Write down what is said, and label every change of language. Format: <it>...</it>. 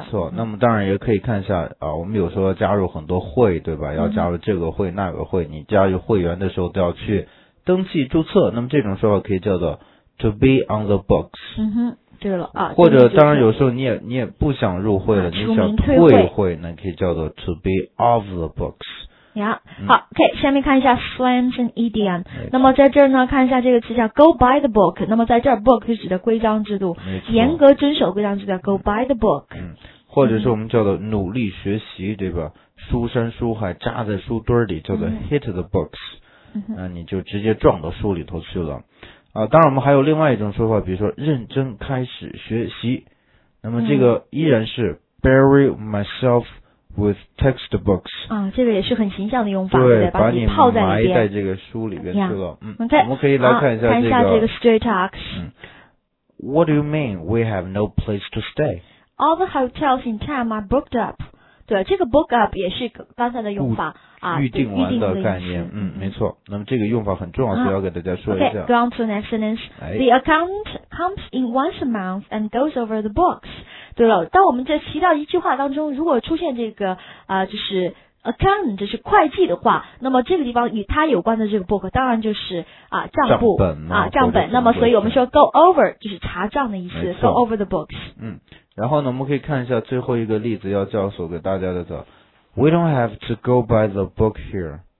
<zh>没错，那么当然也可以看一下啊，我们有时候加入很多会，对吧？要加入这个会那个会，你加入会员的时候都要去登记注册，那么这种说法可以叫做</zh> <en>to be on the books。</en> <zh>嗯哼。对了啊，或者当然有时候你也不想入会了，你想退会，那可以叫做</zh> <en>to be off the books。</en> <zh>Yeah, 好 ，OK， 下面看一下</zh> <en>slams and idiom。</en> <zh>那么在这儿呢，看一下这个词叫</zh> <en>go by the book。</en> <zh>那么在这儿 ，book 是指的规章制度，严格遵守规章制度 ，go by the book。嗯，或者是我们叫做努力学习，对吧？书山书海扎在书堆里，叫做</zh> <en>hit the books。</en> <zh>那你就直接撞到书里头去了。啊，当然我们还有另外一种说法，比如说认真开始学习，那么这个依然是</zh> <en>bury myself with textbooks。</en> <zh>啊，这个也是很形象的用法，对，对把你泡在那边，埋在这个书里边去了。 Yeah. 嗯 ，OK， 我们可以来看一下这个。看一下这个</zh> <en>stray talks。嗯 ，What do you mean? We have no place to stay. All the hotels in town are booked up。</en> <zh>对，这个</zh> <en>book up</en> <zh>也是刚才的用法啊，预定完的概念，嗯，没错。那么这个用法很重要，所以要给大家说一下。</zh> <en>Okay, go on to the next sentence. The account comes in once a month and goes over the books.</en> <zh>对了，当我们在提到一句话当中，如果出现这个就是 account， 就是会计的话，那么这个地方与它有关的这个 book， 当然就是账簿账本啊，账本。那么所以我们说 go over 就是查账的意思 ，</zh> <en>go over the books。嗯。</en> <zh>然后呢，我们可以看一下最后一个例子要教授给大家的叫 ，</zh> <en>We don't have to go by the book here。</en>